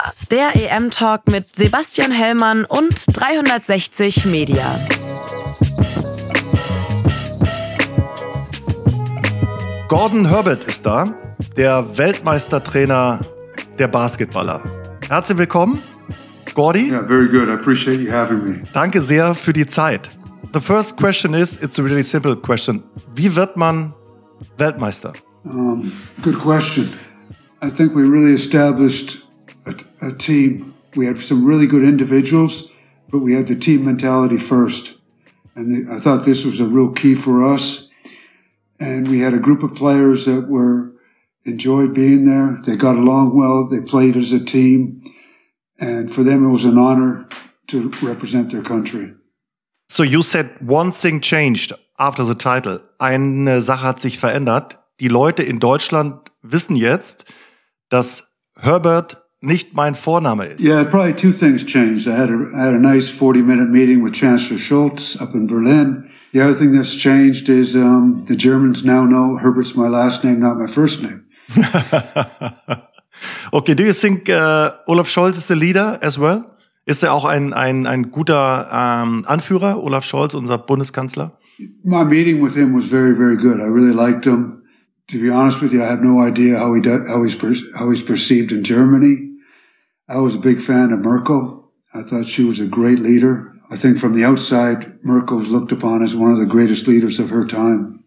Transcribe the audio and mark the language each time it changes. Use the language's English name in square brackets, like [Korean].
[German] Der EM-Talk mit Sebastian Hellmann und 360 Media. Gordon Herbert ist da, der Weltmeistertrainer der Basketballer. Herzlich willkommen, Gordy. [English] Yeah, very good. I appreciate you having me. [German] Danke sehr für die Zeit. [English] The first question is, it's a really simple question. [German] Wie wird man Weltmeister? [English] Good question. I think we really established a team. We had some really good individuals, but we had the team mentality first. And I thought this was a real key for us. And we had a group of players that were enjoyed being there. They got along well. They played as a team. And for them, it was an honor to represent their country. So you said one thing changed after the title. [German] Eine Sache hat sich verändert. Die Leute in Deutschland wissen jetzt, dass Herbert nicht mein Vorname ist. [English] Yeah, probably two things changed. I had a nice 40-minute meeting with Chancellor Schultz up in Berlin. The other thing that's changed is the Germans now know Herbert's my last name, not my first name. Okay, do you think Olaf Scholz is the leader as well? [German] Ist er auch ein guter Anführer, Olaf Scholz, unser Bundeskanzler? [English] My meeting with him was very, very good. I really liked him. To be honest with you, I have no idea how he's perceived in Germany. I was a big fan of Merkel. I thought she was a great leader. I think from the outside, Merkel was looked upon as one of the greatest leaders of her time.